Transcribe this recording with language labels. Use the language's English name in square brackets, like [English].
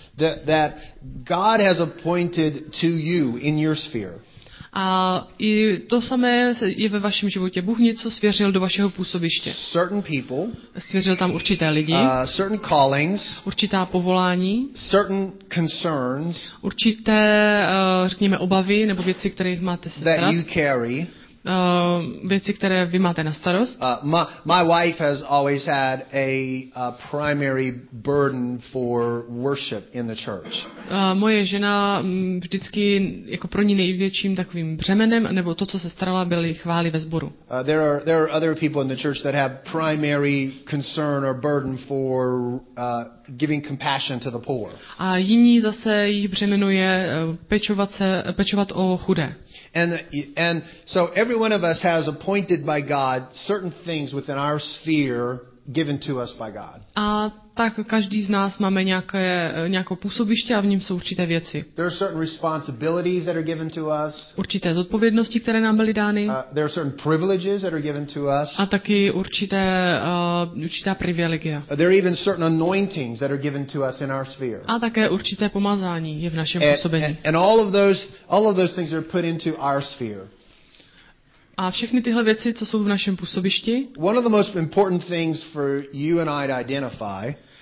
[English] That God has appointed to you in your sphere. [Czech] A i to samé je ve vašem životě. Bůh něco svěřil do vašeho působiště. [English] Certain people, [Czech] svěřil tam určité lidi, [English] certain callings, [Czech] určitá povolání, [English] certain concerns, [Czech] určité, řekněme, obavy nebo věci, které máte se starat, [English] you carry, [Czech] věci, které vy máte na starost. [English] My wife has always had a primary burden for worship in the church. [Czech] Moje žena vždycky jako pro ní největším takovým břemenem nebo to, co se starala, byly chvály ve sboru. [English] There are other people in the church that have primary concern or burden for giving compassion to the poor. [Czech] A jiní zase jich břemenuje pečovat o chudé. [English] And so every one of us has appointed by God certain things within our sphere given to us by God. [Czech] A tak každý z nás máme nějaké působiště a v něm jsou určité věci. [English] There are certain responsibilities that are given to us. [Czech] Určité zodpovědnosti, které nám byly dány. [English] There are certain privileges that are given to us. [Czech] A taky určitá privilegia. [English] There are even certain anointings that are given to us in our sphere. [Czech] A také určité pomazání je v našem působení. [English] And all of those things are put into our sphere. [Czech] A všechny tyhle věci, co jsou v našem působišti. [English] One of the most important things for you and I to identify.